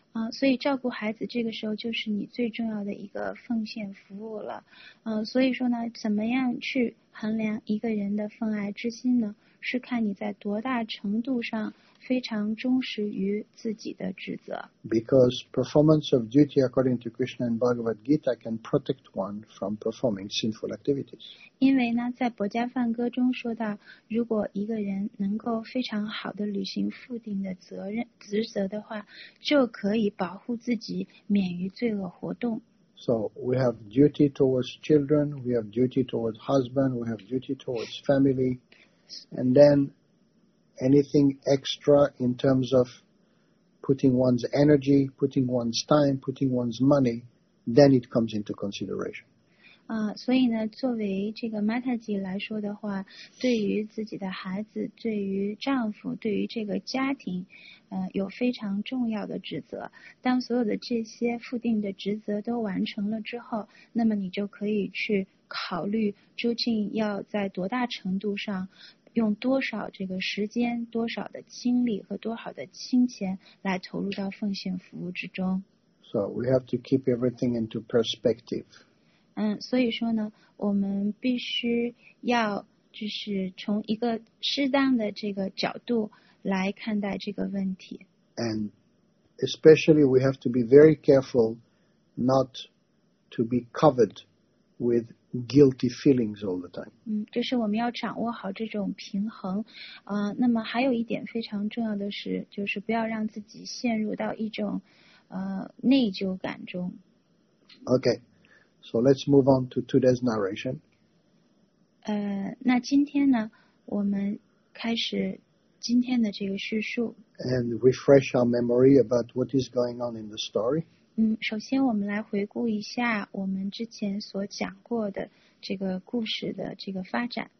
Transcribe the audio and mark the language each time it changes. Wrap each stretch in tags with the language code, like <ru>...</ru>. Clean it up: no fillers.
<zh>所以照顾孩子这个时候就是你最重要的一个奉献服务了。所以说呢，怎么样去衡量一个人的奉爱之心呢？是看你在多大程度上非常忠实于自己的职责。</zh> <en>Because performance of duty according to Krishna and Bhagavad Gita can protect one from performing sinful activities.</en> <zh>因为呢，在《薄伽梵歌》中说到，如果一个人能够非常好的履行父定的职责的话，就可以保护自己免于罪恶活动。</zh> <en>So we have duty towards children, we have duty towards husband, we have duty towards family, and then. Anything extra in terms of putting one's energy, putting one's time, putting one's money, then it comes into consideration.</en> <zh>所以呢，作为这个 Mataji 来说的话，对于自己的孩子，对于丈夫，对于这个家庭，有非常重要的职责。当所有的这些附定的职责都完成了之后，那么你就可以去考虑究竟要在多大程度上。用多少这个时间、多少的精力和多少的金钱来投入到奉献服务之中。</zh> <en>So we have to keep everything into perspective.</en> <zh>所以说呢，我们必须要就是从一个适当的这个角度来看待这个问题。</zh> <en>And especially we have to be very careful not to be covered with guilty feelings all the time.</en> <zh>就是我们要掌握好这种平衡。那么还有一点非常重要的是，就是不要让自己陷入到一种内疚感中。</zh> <en>Okay, so let's move on to today's narration.</en> <zh>那今天呢，我们开始今天的这个叙述。</zh> <en>And refresh our memory about what is going on in the story.</en> <zh>首先我们来回顾一下我们之前所讲过的这个故事的这个发展。</zh>